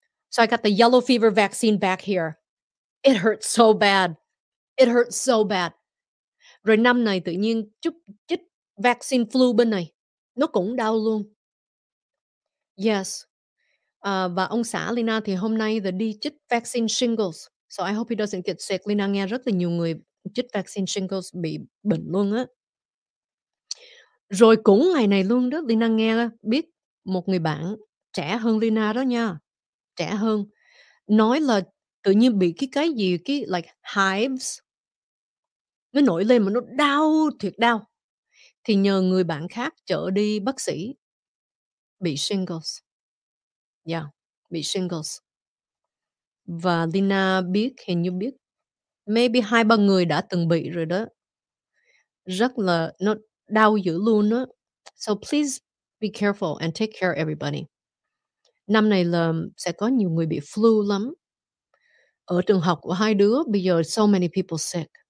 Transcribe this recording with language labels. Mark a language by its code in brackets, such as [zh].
[en] So I got the yellow fever vaccine back here. It hurts so bad. It hurts so bad. [vi] Rồi năm này tự nhiên chích vaccine flu bên này. Nó cũng đau luôn. Yes. Và ông xã Lina thì hôm nay đi chích vaccine shingles. [en] So I hope he doesn't get sick. [vi] Lina nghe rất là nhiều người chích vaccine shingles bị bệnh luôn á. Rồi cũng ngày này luôn đó, Lina nghe biết một người bạn trẻ hơn Lina đó nha. Trẻ hơn, nói là tự nhiên bị cái gì, cái [en] like hives, [vi] nó nổi lên mà nó đau, thiệt đau. Thì nhờ người bạn khác chở đi bác sĩ, bị shingles. Yeah, bị shingles. Và Lina biết, hình như biết, maybe 2-3 người đã từng bị rồi đó. Rất là, nó đau dữ luôn đó. [en] So please be careful and take care of everybody. [vi] Năm này là sẽ có nhiều người bị flu lắm. Ở trường học của hai đứa, bây giờ [en] so many people sick.